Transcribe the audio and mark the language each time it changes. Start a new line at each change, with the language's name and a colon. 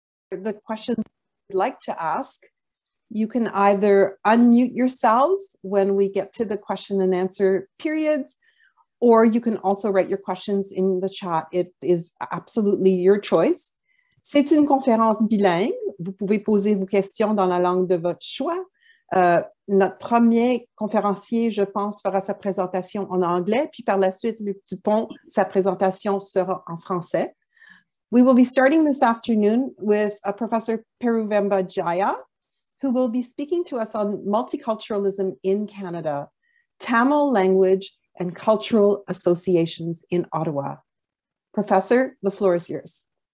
English: the questions you'd like to ask, you can either unmute yourselves when we get to the question and answer periods, or you can also write your questions in the chat. It is absolutely your choice.
French: C'est une conférence bilingue. Vous pouvez poser vos questions dans la langue de votre choix. Notre premier conférencier, je pense, fera sa présentation en anglais, puis par la suite, Luc Dupont, sa présentation sera en français.
English: We will be starting this afternoon with a Professor Peruvemba Jaya, who will be speaking to us on multiculturalism in Canada, Tamil language and cultural associations in Ottawa. Professor, the floor is yours.